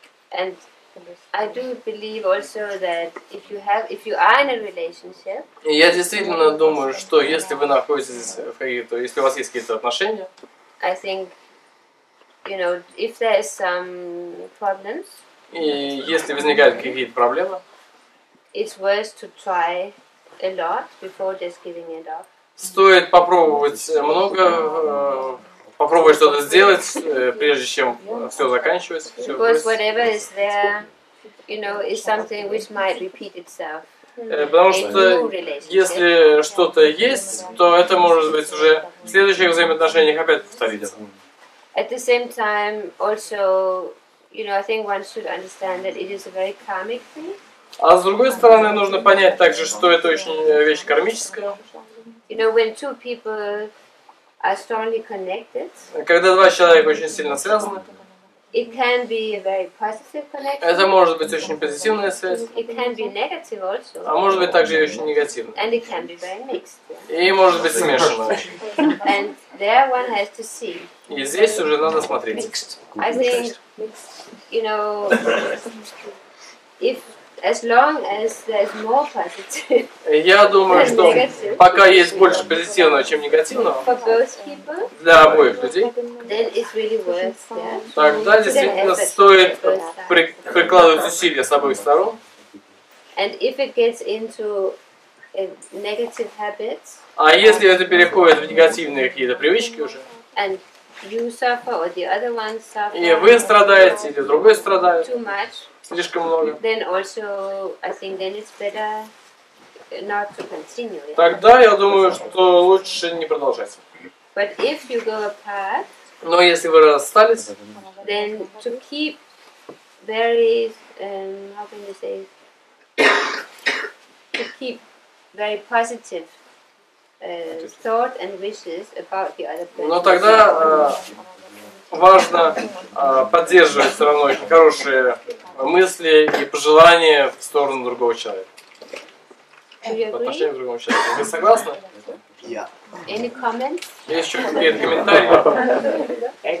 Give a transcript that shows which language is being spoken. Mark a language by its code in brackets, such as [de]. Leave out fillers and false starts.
[en] And I do believe also that if you have, if you are in a relationship, [ru] и я действительно думаю, что если вы находитесь в каких-то, если у вас есть какие-то отношения, [en] I think, you know, if there is some problems, [ru] и если возникают какие-то проблемы, [en] it's worth to try a lot before just giving it up. [ru] Стоит попробовать много, попробовать что-то сделать, прежде чем все заканчивается. [en] Because будет. Whatever is there, you know, is something which might repeat itself. [ru] Потому что если что-то есть, то это может быть уже в следующих взаимоотношениях опять повторится. [en] At the same time, also, you know, I think one should understand that it is a very karmic thing. [ru] А с другой стороны, нужно понять также, что это очень вещь кармическая. [en] You know, when two people are strongly connected, [ru] когда два человека очень сильно связаны, [en] it can be a very positive connection. [ru] Это может быть очень позитивная связь. [en] It can be negative also. [ru] А может быть также и очень негативная. [en] And it can be very mixed. [ru] И может быть смешанная. [en] And there one has to see. [ru] И здесь уже надо смотреть. [en] I think, you know, if as long as there's more positive. [ru] Я думаю, что пока есть больше позитивного, чем негативного. [en] For both people. [ru] Для обоих людей. [en] Then it's really worth it. [ru] Тогда действительно стоит прикладывать усилия с обоих сторон. [en] And if it gets into a negative habit. [ru] А если это переходит в негативные какие-то привычки уже? [en] And you suffer or the other one suffers. [ru] И вы страдаете или другой страдает? [en] Too much. [ru] Слишком много. [en] Then also, I think then it's better not to continue. [ru] Тогда я думаю, что лучше не продолжать. [en] But if you go apart, [ru] но если вы расстались, [en] then to keep very, how can you say, to keep very positive thought and wishes about the other person. [ru] Но тогда важно поддерживать все равно хорошие мысли и пожелания в сторону другого человека. По отношению к другому человеку. Вы согласны? [en] Yeah. Any comments? [ru] Есть еще какие-то комментарии?